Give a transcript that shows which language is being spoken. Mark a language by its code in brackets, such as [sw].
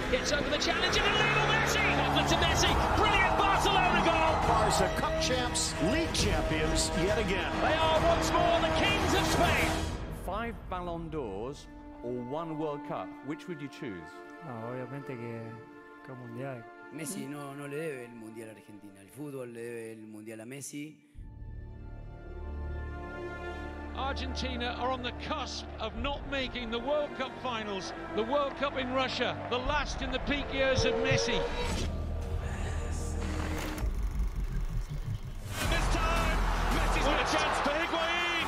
[en] Gets over the challenge and Lionel Messi! Over to Messi! Brilliant Barcelona goal! Barca Cup champs, league champions yet again. They are once more the kings of Spain! Five Ballon d'Ors or one World Cup, which would you choose? [es] No, obviamente que Mundial. Messi no le debe el Mundial a Argentina. El fútbol le debe el Mundial a Messi. [en] Argentina are on the cusp of not making the World Cup finals. The World Cup in Russia, the last in the peak years of Messi. This time, Messi's got a chance for Higuain.